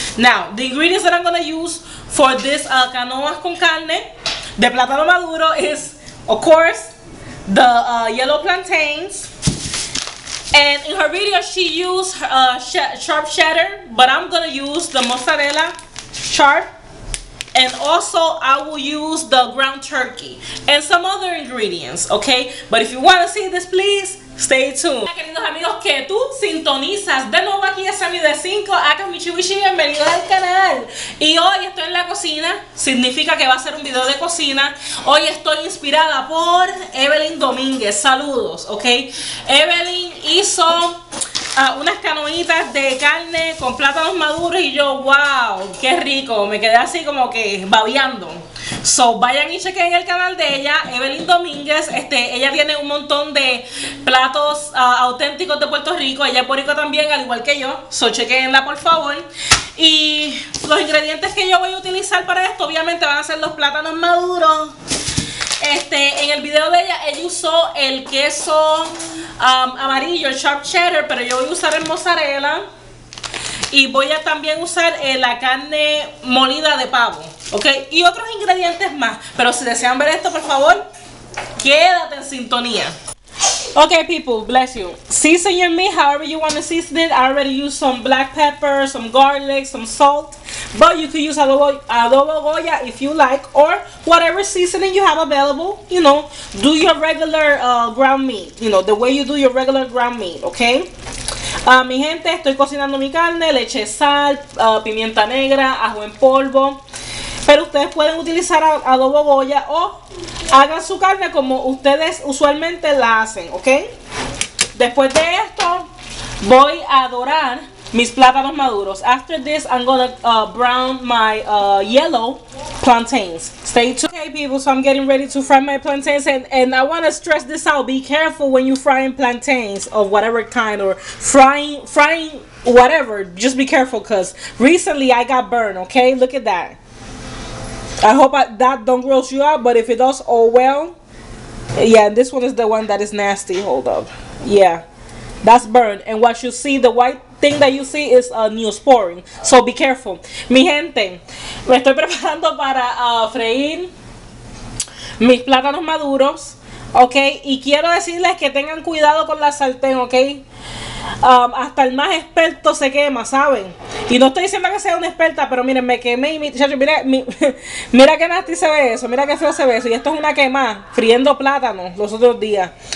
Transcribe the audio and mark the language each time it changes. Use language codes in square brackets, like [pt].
[en] Now, the ingredients that I'm gonna use for this canoas con carne de platano maduro is, of course, the yellow plantains, and in her video she used sharp cheddar, but I'm gonna use the mozzarella sharp, and also I will use the ground turkey and some other ingredients, okay? But if you want to see this, please stay tuned. [es] Queridos amigos, que tú sintonizas de nuevo aquí a Sammy de 5, acá Michi Wichi, bienvenido al canal. Y hoy estoy en la cocina, significa que va a ser un video de cocina. Hoy estoy inspirada por Evelyn Domínguez, saludos, ok. Evelyn hizo unas canoitas de carne con plátanos maduros y yo, wow, qué rico, me quedé así como que babeando. So, vayan y chequen el canal de ella, Evelyn Domínguez. Ella tiene un montón de platos auténticos de Puerto Rico. Ella es boricua también, al igual que yo. So, chequenla, por favor. Y los ingredientes que yo voy a utilizar para esto, obviamente, van a ser los plátanos maduros. En el video de ella, ella usó el queso amarillo, el sharp cheddar, pero yo voy a usar el mozzarella. Y voy a también usar la carne molida de pavo. Ok, y otros ingredientes más, pero si desean ver esto, por favor, quédate en sintonía. [en] Ok, people, bless you. Season your meat however you want to season it. I already used some black pepper, some garlic, some salt, but you could use adobo goya if you like, or whatever seasoning you have available, you know, do your regular ground meat, you know, the way you do your regular ground meat, ok? [es] Mi gente, estoy cocinando mi carne, le eché sal, pimienta negra, ajo en polvo. Pero ustedes pueden utilizar adobo goya o hagan su carne como ustedes usualmente la hacen, ¿ok? Después de esto, voy a dorar mis plátanos maduros. [en] After this, I'm gonna brown my yellow plantains. Stay tuned. Okay, people, so I'm getting ready to fry my plantains. And I want to stress this out. Be careful when you're frying plantains of whatever kind, or frying whatever. Just be careful because recently I got burned, okay? Look at that. I hope that don't gross you out, but if it does, oh well. Yeah, and this one is the one that is nasty. Hold up. Yeah, that's burned. And what you see, the white thing that you see is a neosporin. So be careful. [es] Mi gente, me estoy preparando para freír mis plátanos maduros, okay? Y quiero decirles que tengan cuidado con la sartén, okay? Hasta el más experto se quema, ¿saben? Y no estoy diciendo que sea una experta, pero miren, me quemé y mira que nasty se ve eso, mira que feo se ve eso. Y esto es una quema, friendo plátano los otros días.